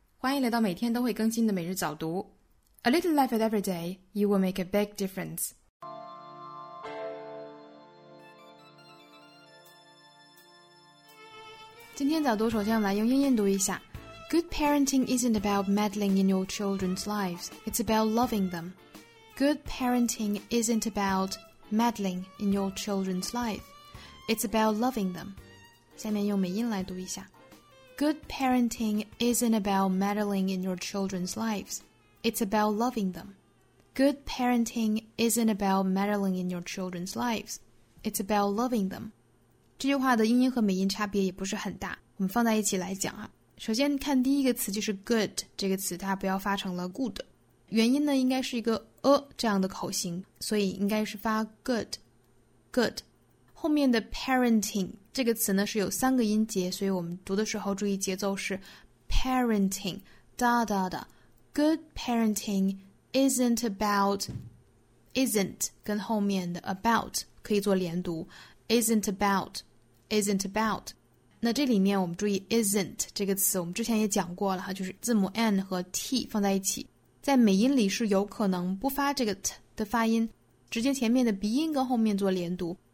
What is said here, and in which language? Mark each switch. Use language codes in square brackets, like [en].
[zh] 欢迎来到每天都会更新的每日早读。 [en] A little effort every day, you will make a big difference. [zh] 今天早读首先来用英音读一下。 [en] Good parenting isn't about meddling in your children's lives, it's about loving them. Good parenting isn't about meddling in your children's life, it's about loving them. [zh] 下面用美音来读一下。 [en] Good parenting isn't about meddling in your children's lives. It's about loving them. Good parenting isn't about meddling in your children's lives. It's about loving them. [zh] 这句话的英音和美音差别也不是很大。我们放在一起来讲啊。首先看第一个词就是 good 这个词，大家不要发成了 good。元音呢应该是一个这样的口型，所以应该是发 good。 good。 后面的 parenting,这个词呢是有三个音节，所以我们读的时候注意节奏是 parenting, da da da. [en] Good parenting isn't about, isn't [zh] 跟后面的 [en] about [zh] 可以做连读， [en] isn't about, isn't about. [zh] 那这里面我们注意 isn't 这个词，我们之前也讲过了，就是字母 n 和 t 放在一起，在美音里是有可能不发这个 t 的发音，直接前面的鼻音跟后面做连读。